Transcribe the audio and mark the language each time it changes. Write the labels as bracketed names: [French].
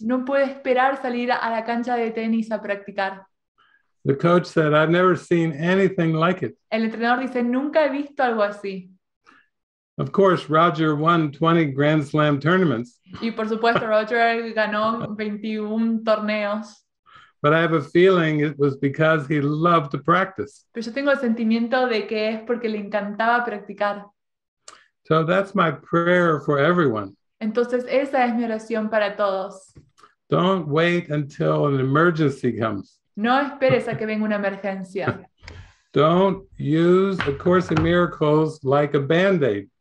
[Spanish] No puede esperar salir a la cancha de tenis a practicar. [English] The coach said, I've never seen anything like it. [Spanish] El entrenador dice, nunca he visto algo así. [English] Of course, Roger won 20 Grand Slam tournaments. [Spanish] Y por supuesto, Roger ganó 21 torneos. [English] But I have a feeling it was because he loved to practice. [Spanish] Pero yo tengo el sentimiento de que es porque le encantaba practicar. [English] So that's my prayer for everyone. [Spanish] Entonces, esa es mi oración para todos. [English] Don't wait until an emergency comes. [Spanish] No esperes a que venga una emergencia. [English] Don't use the Course in Miracles like a Band-Aid.